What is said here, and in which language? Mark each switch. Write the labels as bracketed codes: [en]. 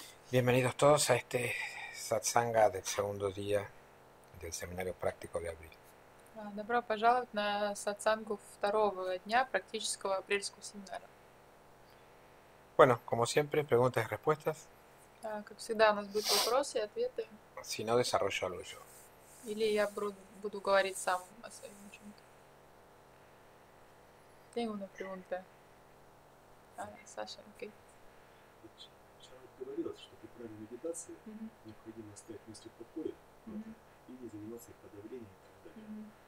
[es] Bienvenidos todos a este satsanga del segundo día del seminario práctico de abril. [ru] Добро пожаловать на сатсангу второго дня практического апрельского семинара. [es] Bueno, como siempre, preguntas y respuestas. [ru] Как всегда, у нас будут вопросы и ответы. [es] Si no, desarrollalo yo. [ru] Или я буду говорить сам о своем чем-то. [es] Tengo una pregunta. Саша, окей. [ru] Говорилось, что при правильной медитации необходимо оставить мысли в покое, вот, и не заниматься их подавлением и так далее.